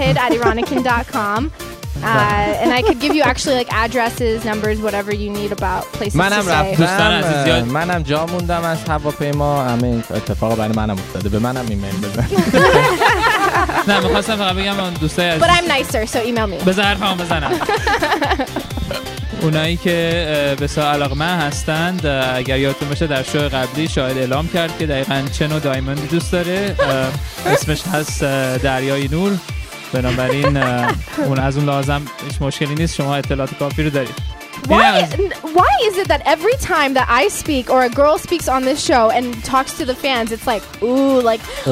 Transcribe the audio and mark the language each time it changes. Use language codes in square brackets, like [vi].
[en] Shahid@iranican.com. and I could give you actually like addresses, numbers, whatever you need about places [fa] منم [en] to stay. [fa] منم جا موندم از هواپیما همین اتفاق برای منم افتاده به منم ایمیل بزن نه میخواستم فقط بگم اون دوستای عزیز [en] But I'm nicer so email me [fa] بذار حرفمو بزنم اونایی که بسیار علاقمند هستند اگر یادتون باشه در شو قبلی شاهد اعلام کرد که دقیقاً چه نوع دایموندی دوست داره اسمش هست دریای نور بنابراین اون از اون لازم هیچ مشکلی نیست شما اطلاعات کافی رو دارید [en] Why is it that every time that I speak or a girl speaks on this show and talks to the fans it's like ooh like